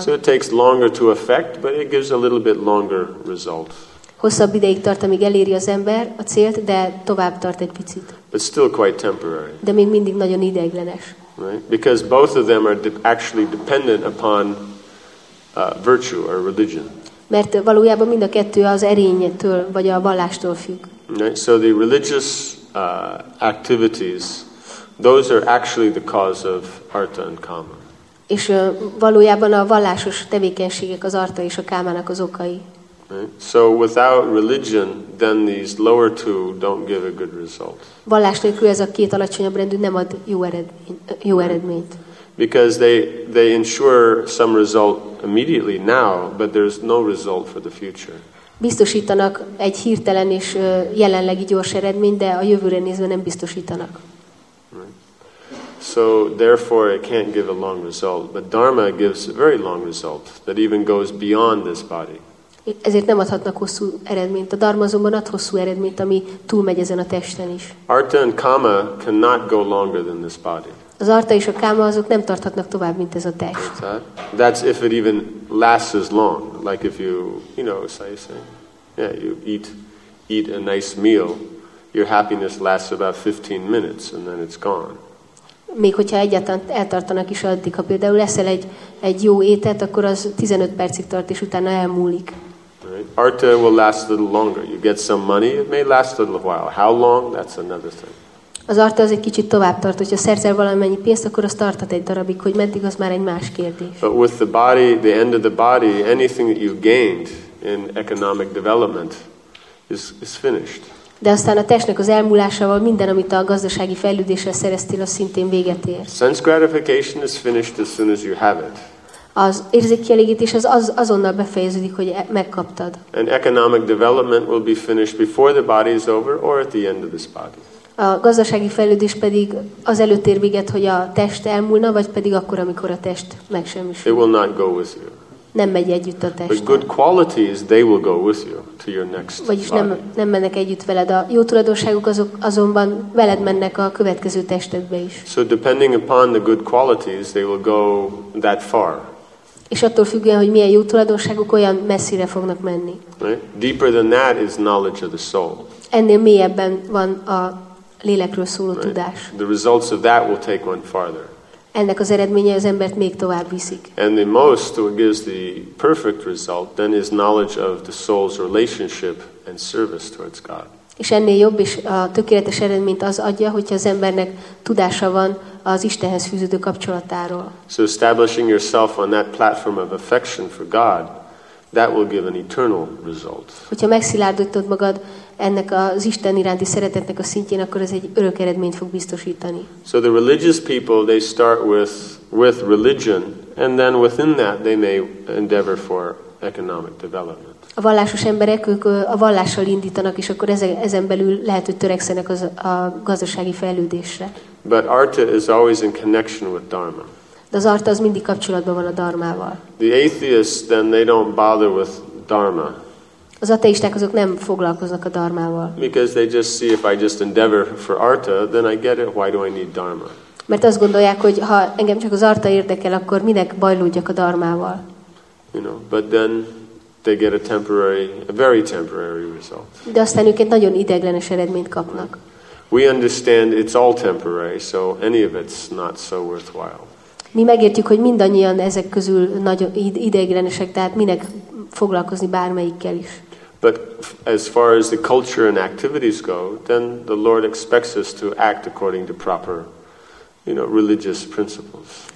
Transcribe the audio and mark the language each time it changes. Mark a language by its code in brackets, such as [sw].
[en] So it takes longer to affect, but it gives a little bit longer result. [hu] Hosszabb ideig tart, amíg eléri az ember a célt, de tovább tart egy picit. [en] But still quite temporary. [hu] De még mindig nagyon ideiglenes. [en] Right? Because both of them are actually dependent upon virtue or religion. [hu] Mert valójában mind a kettő az erénytől vagy a vallástól függ. [en] Right? So the religious activities, those are actually the cause of artha and kama. [hu] És valójában a vallásos tevékenységek az artha és a kámának az okai. [en] Right? So without religion, then these lower two don't give a good result. [hu] Vallás nélkül ez a két alacsonyabb rendű nem ad jó eredményt. [en] Because they ensure some result immediately now, but there's no result for the future. [hu] Biztosítanak egy hirtelen és jelenlegi gyors eredményt, de a jövőre nézve nem biztosítanak. [en] So therefore it can't give a long result, but dharma gives a very long result that even goes beyond this body. [hu] Ezért nem adhatnak hosszú eredményt. A dharma azonban ad hosszú eredményt, ami túlmegy ezen a testen is. [en] Artha and kama cannot go longer than this body. [hu] Az artha és a káma azok nem tarthatnak tovább, mint ez a test. [en] That's if it even lasts as long. Like if you, you know, say, yeah, you eat a nice meal, your happiness lasts about 15 minutes, and then it's gone. [hu] Még hogyha egyáltalán eltartanak is addig, ha például eszel egy jó étet, akkor az 15 percig tart, és utána elmúlik. [en] Right. Artha will last a little longer. You get some money, it may last a little while. How long? That's another thing. [hu] Az artha az egy kicsit tovább tart, hogyha szerzel valamennyi pénzt, akkor az tartat egy darabig, hogy meddig, az már egy más kérdés. [en] But with the body, the end of the body, anything that you gained in economic development is finished. [hu] De aztán a testnek az elmúlásával minden, amit a gazdasági fejlődéssel szereztél, az szintén véget ér. [en] Sense gratification is finished as soon as you have it. [hu] Az érzékkielégítés az azonnal befejeződik, hogy megkaptad. [en] And economic development will be finished before the body is over or at the end of this body. [hu] A gazdasági fejlődés pedig az előtt ér véget, hogy a test elmúlna, vagy pedig akkor, amikor a test megsemmisül. [en] It will not go with you. [hu] Nem megy együtt a testtel. [en] But good qualities, they will go with you to your next body. [hu] Vagyis nem mennek együtt veled. A jó tulajdonságok azok azonban veled mennek a következő testedbe is. [en] So depending upon the good qualities, they will go that far. [hu] És attól függően, hogy milyen jó tulajdonságok, olyan messzire fognak menni. [en] Right? Deeper than that is knowledge of the soul. [hu] Ennél mélyebben van a lélekről szóló [en] right. [hu] tudás. [en] The results of that will take one farther. [hu] Ennek az eredménye az embert még tovább viszik. [en] And the most what gives the perfect result then is knowledge of the soul's relationship and service towards God. [hu] És ennél jobb és a tökéletes eredményt az adja, hogyha az embernek tudása van az Istenhez fűződő kapcsolatáról. [en] So establishing yourself on that platform of affection for God, that will give an eternal result. [hu] Hogyha megszilárdítod magad ennek az Isten iránti szeretetnek a szintjén, akkor ez egy örök eredményt fog biztosítani. [en] So the religious people, they start with religion, and then within that they may endeavor for economic development. [hu] A vallásos emberek, ők a vallással indítanak, és akkor ezen belül lehet, hogy törekszenek a gazdasági fejlődésre. [en] But artha is always in connection with dharma. [hu] De az artha az mindig kapcsolatban van a dharmával. [en] The atheists, then they don't bother with dharma. [hu] Az ateisták azok nem foglalkoznak a dharmával. [en] Because they just see if I just endeavor for artha, then I get it, why do I need dharma? [hu] Mert azt gondolják, hogy ha engem csak az artha érdekel, akkor minek bajlódjak a dharmával. [en] You know, but then they get a very temporary result. [hu] De aztán ők egy nagyon ideiglenes eredményt kapnak. [en] We understand it's all temporary, so any of it's not so worthwhile. [hu] Mi megértjük, hogy mindannyian ezek közül nagyon ideiglenesek, tehát minek foglalkozni bármelyikkel is. [en] But as far as the culture and activities go, then the Lord expects us to act according to proper, you know, religious principles.